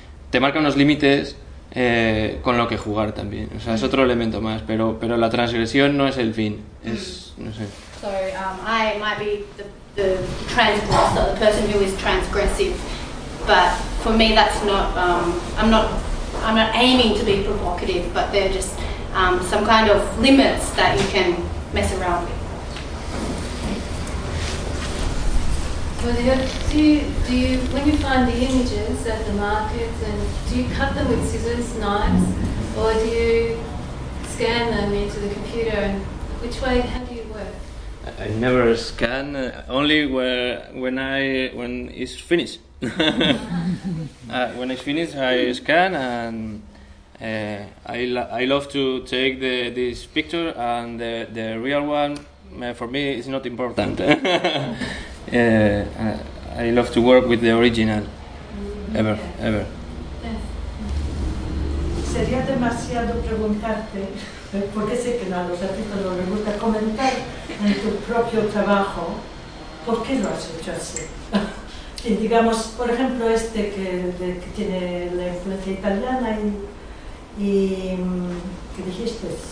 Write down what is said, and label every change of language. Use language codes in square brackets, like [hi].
[es] te marca unos límites con lo que jugar también. O sea, es otro elemento más, pero la transgresión no es el fin. Es, no sé... [en] So I might be the transgressor, the person who is transgressive, but for me that's not, I'm not aiming to be provocative, but they're just some kind of limits that you can mess around with. Do you, when you find the images at the markets, and do you cut them with scissors, knives, or do you scan them into the computer, and which way have you worked? I never scan, only when it's finished. when it's finished, I scan and I love to take this picture, and the real one, for me, is not important. I love to work with the original, ever. [es] Sería demasiado preguntarte, porque sé que a los artistas no les gusta comentar en tu propio trabajo, ¿por qué lo has hecho así? Y digamos, por ejemplo, este que tiene la influencia italiana y ¿qué dijiste?